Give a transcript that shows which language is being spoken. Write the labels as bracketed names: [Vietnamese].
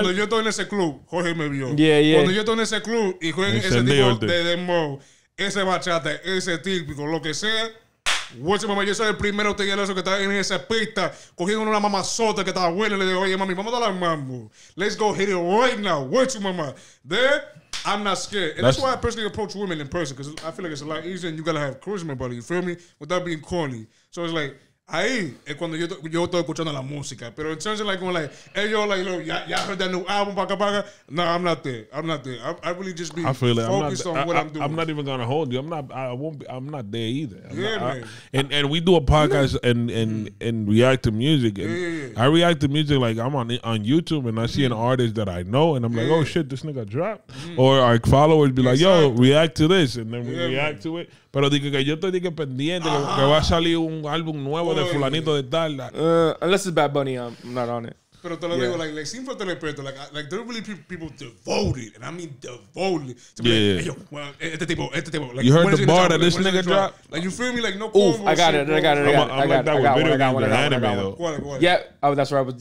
[Spanish] Cuando yo estoy en ese club, Jorge me vio. [English] Yeah. [Spanish] Cuando yo estoy en ese club y juegan ese tipo de demo, ese bachata, ese típico, lo que sea. Oye, mamá, yo soy el primero que está en esa pista cogiendo una mamazota que estaba buena. Le digo, oye, mami, vamos a darle al mambo. [English] Let's go hit it right now. [Spanish] Oye, mamá. [English] There, I'm not scared. And that's why I personally approach women in person, because I feel like it's a lot easier and you got to have charisma, buddy. You feel me? Without being corny. So it's like, [Spanish] ahí es cuando yo estoy escuchando la música. [English] Pero in terms of like, hey, yo, like, look, y'all heard that new album, paka, paka? Nah, I'm not there. I really just be focused on what I'm doing. I'm not even going to hold you. I'm not there either. And we do a podcast and react to music. I react to music like I'm on YouTube and I see an artist that I know and I'm like, oh, shit, this nigga dropped. Or our followers be like, yo, react to this. And then we react to it. [Spanish] Pero digo que yo estoy digo pendiente que va a salir un álbum nuevo de fulanito de tal. [English] Unless it's Bad Bunny, I'm not on it. [Spanish] Pero te lo digo, [English] like [Spanish] sin falta de respeto, [English] like there are really people devoted, and I mean devoted. [Spanish] To este tipo. [English] You heard the bar that this nigga dropped? Like, you feel me? Like, no. Oof, I got it. Yeah, that's right.